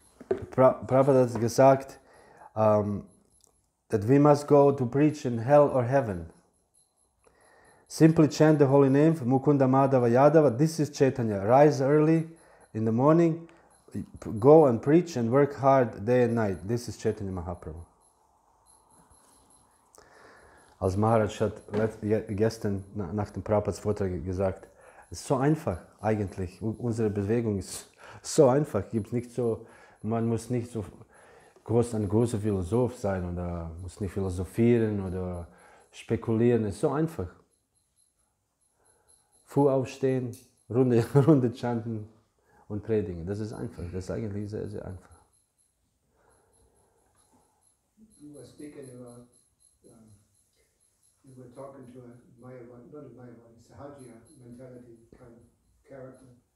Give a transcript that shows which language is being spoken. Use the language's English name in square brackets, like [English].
[English] Prabhupada has [German] gesagt, [English] that we must go to preach in hell or heaven. Simply chant the holy name, Mukunda Madhava Yadava. This is Chaitanya. Rise early in the morning, go and preach and work hard day and night. This is Chaitanya Mahaprabhu. [German] Als Maharaj hat gestern nach dem Prabhupada's Vortrag gesagt, es ist so einfach eigentlich. Unsere Bewegung ist so einfach. Gibt's nicht so, man muss nicht so ein großer Philosoph sein oder muss nicht philosophieren oder spekulieren, ist so einfach. Fuß aufstehen, Runde chanten und predigen, das ist einfach, das ist eigentlich sehr, sehr einfach. [English] You were speaking about, you were talking to a Mayavadi, not a Mayavadi, it's a Hajiya mentality kind of character.